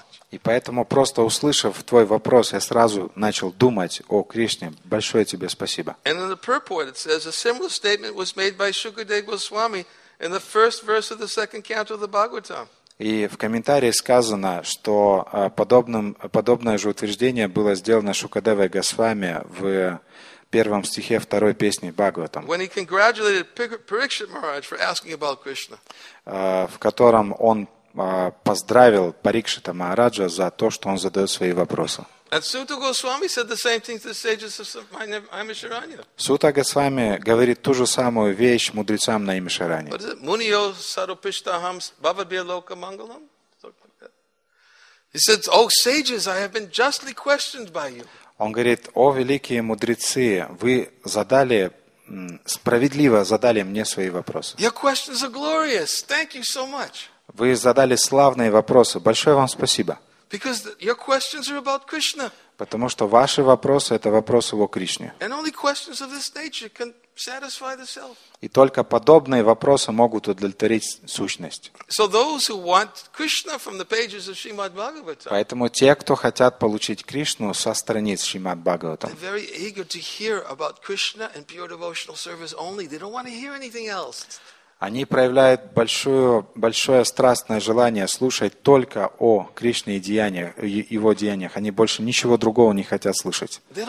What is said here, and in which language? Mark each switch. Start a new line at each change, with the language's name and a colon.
Russian: И поэтому, просто услышав твой вопрос, я сразу начал думать о Кришне. Большое тебе спасибо.
English: And in the purport it says a similar statement was made by Shukadeva Goswami in the first verse of the second canto of the Bhagavatam.
Russian: И в комментарии сказано, что подобное же утверждение было сделано Шукадевой Госвами в первом стихе второй песни Бхагаватам.
English: When he congratulated Parikshit Maharaj for asking about Krishna.
Russian: В котором он поздравил Парикшита Махараджа за то, что он задает свои вопросы.
English: And Suta Goswami said the same thing to the sages of Naimisharanya.
Russian: Сута Госвами говорит ту же самую вещь мудрецам Наимишарани.
English: What is it?
Sanskrit: Муньо Сарупиштахам Бхавабья Лока Мангалам?
English: He said, O sages, I have been justly questioned by you.
Russian: Он говорит, о великие мудрецы, вы задали, справедливо задали мне свои вопросы.
English: Your questions are glorious. Thank you so much.
Russian: Вы задали славные вопросы. Большое вам спасибо.
English: Because your questions are about Krishna.
Russian: Потому что ваши вопросы – это вопросы о Кришне.
English: And only questions of this nature can satisfy the self.
Russian: И только подобные вопросы могут удовлетворить сущность.
English: So those who want Krishna from the pages of Srimad Bhagavatam.
Russian: Поэтому те, кто хотят получить Кришну со страниц Шримад Бхагаватам.
English: They're very eager to hear about Krishna and pure devotional service only. They don't want to hear anything else.
Russian: Они проявляют большое страстное желание слушать только о Кришне и деяниях, его деяниях. Они больше ничего другого не хотят слышать.